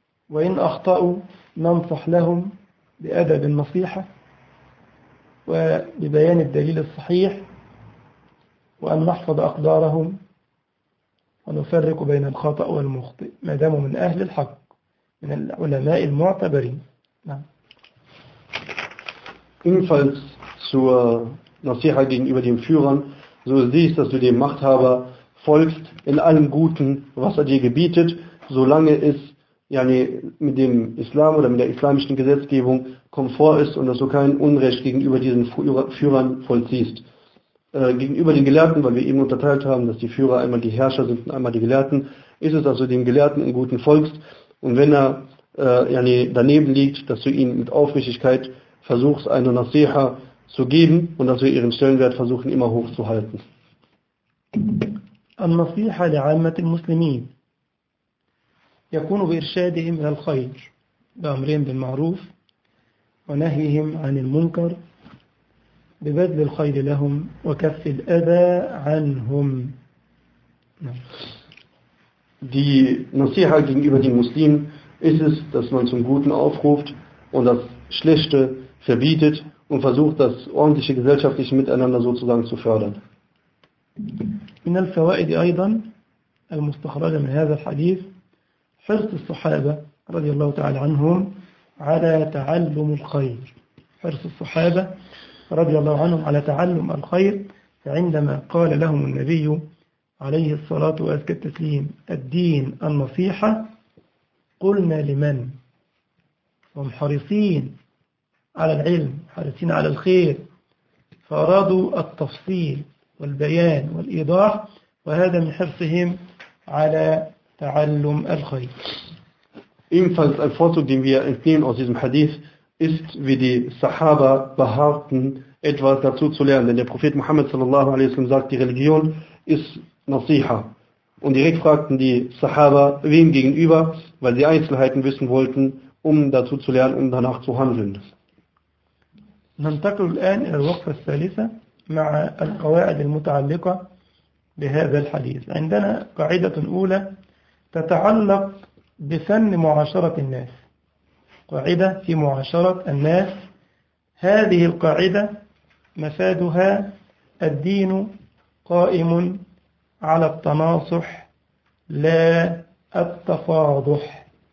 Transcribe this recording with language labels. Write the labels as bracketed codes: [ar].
[ar] وإن أخطأوا ننصح لهم بأدب النصيحة وببيان الدليل الصحيح وأن نحفظ أقدارهم ونفرق بين الخطأ والمخطئ ما داموا من أهل الحق من العلماء المعتبرين نعم. [de] Ebenfalls zur Nasiha gegenüber den Führern, so ist dies, dass du dem Machthaber folgst in allem Guten, was er dir gebietet, solange es yani, mit dem Islam oder mit der islamischen Gesetzgebung konform ist und dass du kein Unrecht gegenüber diesen Führern vollziehst. Gegenüber den Gelehrten, weil wir eben unterteilt haben, dass die Führer einmal die Herrscher sind und einmal die Gelehrten, ist es, dass du dem Gelehrten im Guten folgst und wenn er yani, daneben liegt, dass du ihm mit Aufrichtigkeit versuchst, eine Nasiha zu geben und dass wir ihren Stellenwert versuchen, immer hochzuhalten. [ar] النصيحة لعامة المسلمين يكون بإرشادهم إلى الخير بأمرهم بالمعروف ونهيهم عن المنكر ببذل الخير لهم وكف الأذى عنهم. [de] Die Nasiha gegenüber den Muslimen ist es, dass man zum Guten aufruft und das Schlechte verbietet und versucht, das ordentliche gesellschaftliche Miteinander sozusagen zu fördern. [ar] من الفوائد أيضا المستخرجة من هذا الحديث حرص الصحابة رضي الله تعالى عنهم على تعلم الخير حرص الصحابة رضي الله عنهم على تعلم الخير عندما قال لهم النبي عليه الصلاة والسلام الدين النصيحة قلنا لمن هم حريصين على العلم حريصين على الخير فأرادوا التفصيل والبيان والإيضاح وهذا من حرصهم على تعلم الخير. [de] Ebenfalls ein Vorzug, den wir entnehmen aus diesem Hadith, ist, wie die Sahaba beharrten, etwas dazu zu lernen. Denn der Prophet Muhammad sallallahu alaihi wasallam sagt, die Religion ist Nasiha. Und direkt fragten die Sahaba, wem gegenüber, weil sie Einzelheiten wissen wollten, um dazu zu lernen, um danach zu handeln. [ar] ننتقل الآن إلى الوقفة الثالثة. مع القواعد المتعلقة بهذا الحديث عندنا قاعدة أولى تتعلق بفن معاشرة الناس قاعدة في معاشرة الناس هذه القاعدة مفادها الدين قائم على التناصح لا التفاضح